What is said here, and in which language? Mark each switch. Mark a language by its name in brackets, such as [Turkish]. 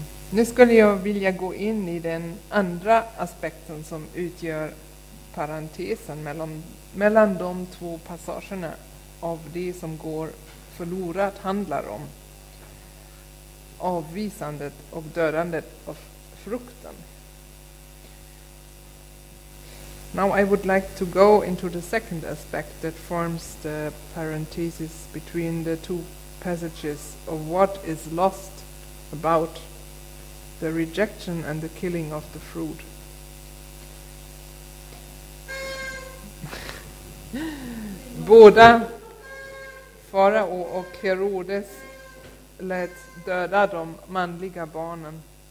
[Swedish] Nu skulle jag vilja gå in i den andra aspekten som utgör parentesen mellan de två passagerna av det som går förlorat handlar om avvisandet och dödandet av frukten. [English] Now I would like to go into the second aspect that forms the parenthesis between the two passages of what is lost about the rejection and the killing of the fruit. [Swedish] Båda Farao och Herodes lät döda de manliga barnen.